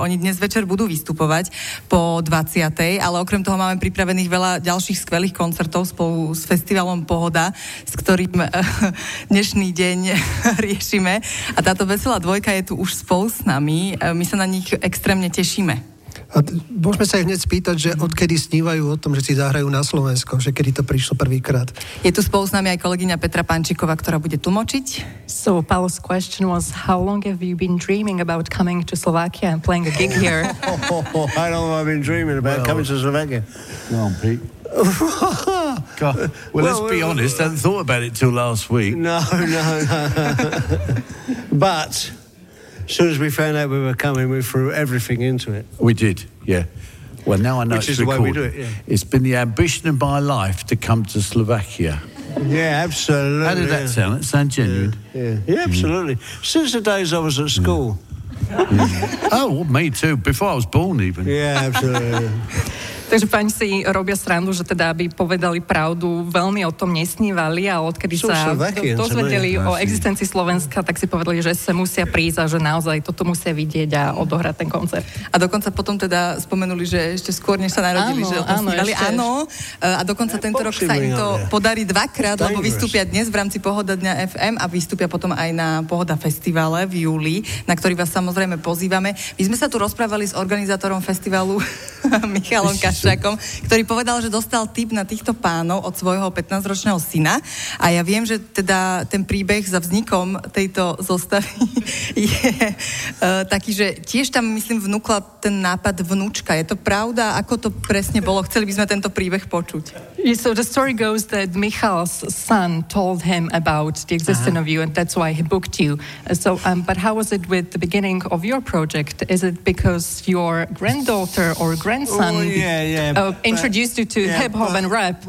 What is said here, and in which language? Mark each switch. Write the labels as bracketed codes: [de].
[sk] Oni dnes večer budú vystupovať po 20. ale okrem toho máme pripravených veľa ďalších skvelých koncertov spolu s festivalom Pohoda, s ktorým dnešný deň riešime. A táto veselá dvojka je tu už spolu s nami. My sa na nich extrémne tešíme. A môžeme sa aj hneď spýtať, že odkedy snívajú o tom, že si zahrajú na Slovensko, že kedy to prišlo prvýkrát. Je tu spolu s nami aj kolegyňa Petra Pančíková, ktorá bude tlmočiť. [en] So, Paolo's question was, how long have you been dreaming about coming to Slovakia and playing a gig here? How long have I been dreaming about coming to Slovakia? Go on, Pete. Well, let's be honest, I hadn't thought about it till last week. No. But as soon as we found out we were coming, we threw everything into it. We did, yeah. Well, now I know which it's recorded. is the way we do it, yeah. It's been the ambition of my life to come to Slovakia. Yeah, absolutely. How did that sound? It sounded genuine. Yeah, absolutely. Mm. Since the days I was at school. Mm. Oh, me too. Before I was born, even. Yeah, absolutely. [sk] Takže páni si robia srandu, že teda aby povedali pravdu, veľmi o tom nesnívali a odkedy sú sa dozvedeli o existencii Slovenska, tak si povedali, že sa musia prísť a že naozaj toto musia vidieť a odohrať ten koncert. A dokonca potom teda spomenuli, že ešte skôr, než sa narodili, že to snívali. Áno, a dokonca tento rok sa im to podarí dvakrát, lebo vystúpia dnes v rámci Pohoda dňa FM a vystúpia potom aj na Pohoda festivale v júli, na ktorý vás samozrejme pozývame. My sme sa tu rozprávali s organizátorom festivalu Michalom Kašťákom, ktorý povedal, že dostal tip na týchto pánov od svojho 15-ročného syna a ja viem, že teda ten príbeh za vznikom tejto zostavy je taký, že tiež tam, myslím, vnúkla ten nápad vnúčka. Je to pravda? Ako to presne bolo? Chceli by sme tento príbeh počuť. [en] Yeah, so the story goes that Michal's son told him about the existence of you and that's why he booked you. So, but how was it with the beginning of your project? Is it because your granddaughter or grandson introduced you to hip hop and rap?